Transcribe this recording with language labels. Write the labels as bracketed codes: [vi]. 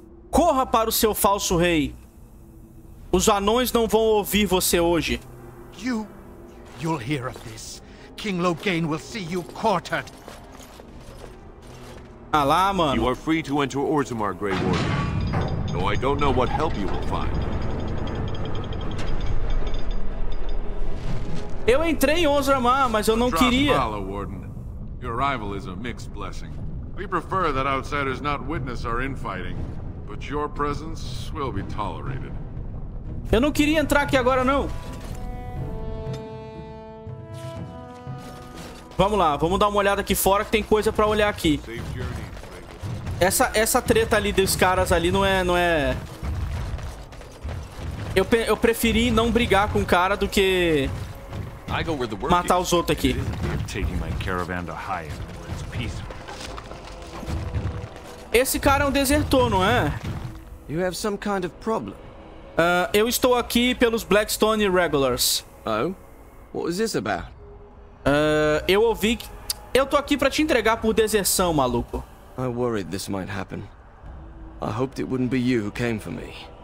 [pt] Corra para o seu falso rei. Os anões não vão ouvir você hoje. [en] You'll hear of this. King Loghain will see you quartered. [pt] Ah lá, mano. [en] You are free to enter Orzammar, Grey Warden. Though I don't know what help you will find. [pt] Eu entrei em Orzammar, mas eu não queria. [en] Drathmala, Warden. Your arrival is a mixed blessing. We prefer that outsiders not witness our infighting, but your presence will be tolerated. [pt] Eu não queria entrar aqui agora, não. Vamos lá, vamos dar uma olhada aqui fora, que tem coisa pra olhar aqui. Essa treta ali dos caras ali não é... Eu preferi não brigar com o cara do que... [en] I go where the work [pt] matar [en] is. [pt] Os outros aqui. [en] Taking my caravan to high end where it's peaceful. [pt] Esse cara é um desertor, não é? [en] You have some kind of problem. [pt] Eu estou aqui pelos Blackstone Irregulars. [en] Oh? What is this about? [pt] Eu ouvi que... Eu tô aqui pra te entregar por deserção, maluco. [en] I worried this might happen. I hoped it wouldn't be you who came for me.